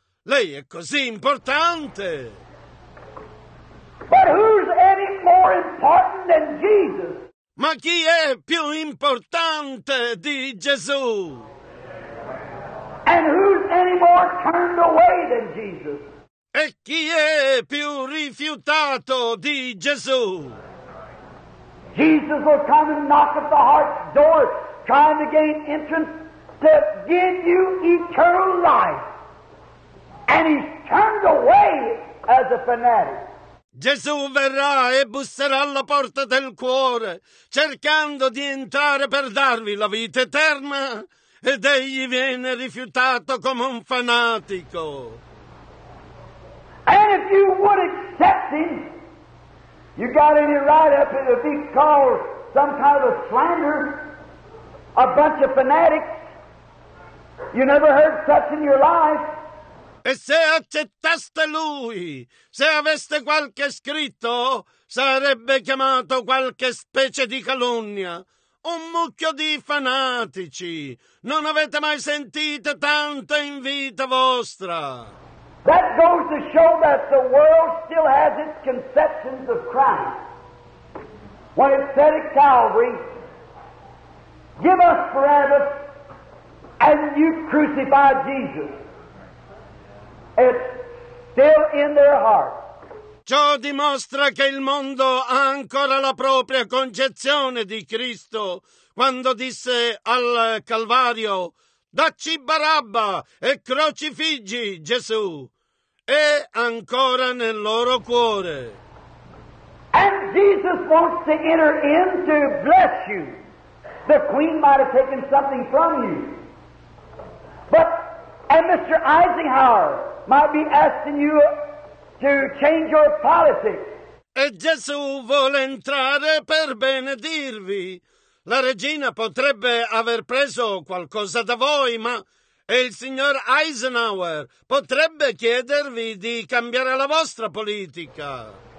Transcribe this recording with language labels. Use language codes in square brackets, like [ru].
[it] Lei è così importante. [en] But who's any more important than Jesus? [it] Ma chi è più importante di Gesù? [en] And who's any more turned away than Jesus? [it] E chi è più rifiutato di Gesù? [en] Jesus will come and knock at the heart's door, trying to gain entrance to give you eternal life. And he's turned away as a fanatic. [it] Gesù verrà e busserà alla porta del cuore, cercando di entrare per darvi la vita eterna, ed egli viene rifiutato come un fanatico. [en] And if you would accept him, you got any right up in a big call, some kind of slander, a bunch of fanatics. You never heard such in your life. [it] E se accettaste lui, se aveste qualche scritto, sarebbe chiamato qualche specie di calunnia. Un mucchio di fanatici. Non avete mai sentito tanto in vita vostra. [en] That goes to show that the world still has its conceptions of Christ. When it said at Calvary, give us Barabbas and you crucify Jesus. It's still in their heart. [it] Ciò dimostra che il mondo ha ancora la propria concezione di Cristo quando disse al Calvario: dacci Barabba e crocifiggi Gesù. È ancora nel loro cuore. [en] And Jesus wants to enter in to bless you. The Queen might have taken something from you. But, and Mr. Eisenhower might be asking you to change your politics. [it] E Gesù vuole entrare per benedirvi. La regina potrebbe aver preso qualcosa da voi, ma e il signor Eisenhower potrebbe chiedervi di cambiare la vostra politica.